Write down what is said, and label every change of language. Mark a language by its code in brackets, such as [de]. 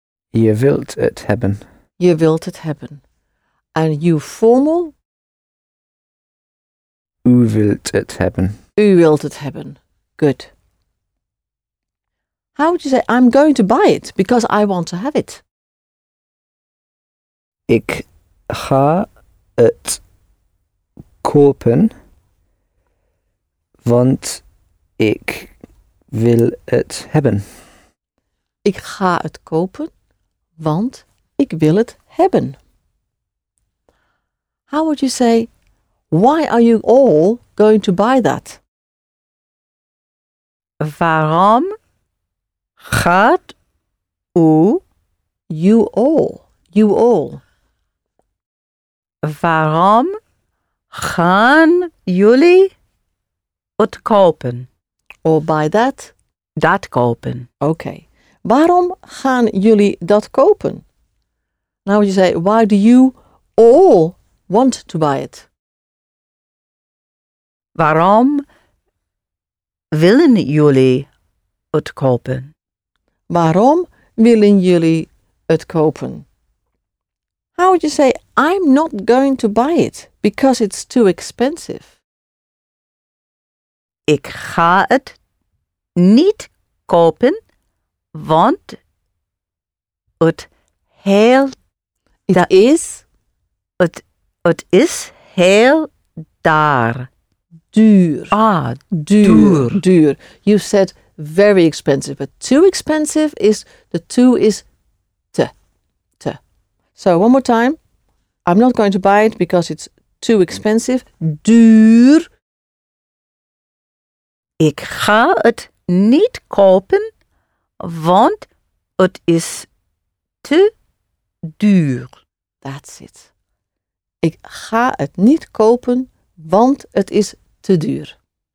[nl] Je wilt het hebben. Je wilt het hebben. [en] And you formal? [nl] U wilt het hebben. U wilt het hebben. Good. [en] How would you say, I'm going to buy it because I want to have it? [nl] Ik ga het kopen, want ik wil het hebben. Ik ga het kopen, want ik wil het hebben. [en] How would you say, why are you all going to buy that? [nl] Waarom gaat u? [en] You all, you all. [nl] Waarom gaan jullie het kopen? [en] Or by that? [nl] Dat kopen. [en] Okay. [nl] Waarom gaan jullie dat kopen? [en] Now you say, why do you all want to buy it? [nl] Waarom willen jullie het kopen? Waarom willen jullie het kopen? [en] How would you say, I'm not going to buy it because it's too expensive? [nl] Ik ga het niet kopen, want het heel... Het is heel daar. Duur. Ah, duur. Duur. [en] You said very expensive, but too expensive is, the two is... So, one more time. I'm not going to buy it because it's too expensive. [nl] Duur. Ik ga het niet kopen, want het is te duur. [en] That's it. [nl] Ik ga het niet kopen, want het is te duur.